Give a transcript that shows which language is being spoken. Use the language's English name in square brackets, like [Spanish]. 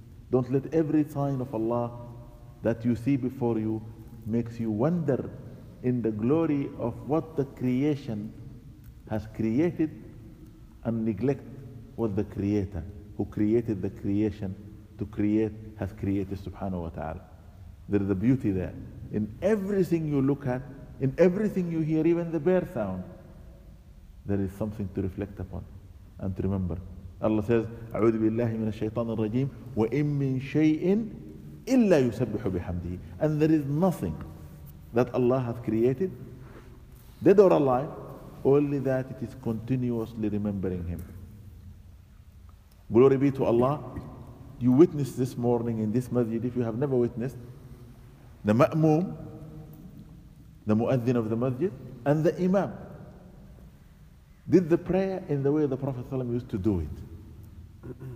[English] Don't let every sign of Allah that you see before you makes you wonder in the glory of what the creation has created and neglect what the creator who created the creation to create has created, subhanahu wa ta'ala. There is a beauty there. In everything you look at, in everything you hear, even the bear sound, there is something to reflect upon and to remember. Allah says, [Arabic] أعوذ بالله من الشيطان الرجيم وإن من شيء إلا يسبح بحمده. [English] And there is nothing that Allah has created, dead or alive, only that it is continuously remembering Him. Glory be to Allah. You witnessed this morning in this masjid, if you have never witnessed, the ma'moom, the mu'adhin of the masjid, and the imam did the prayer in the way the Prophet ﷺ used to do it.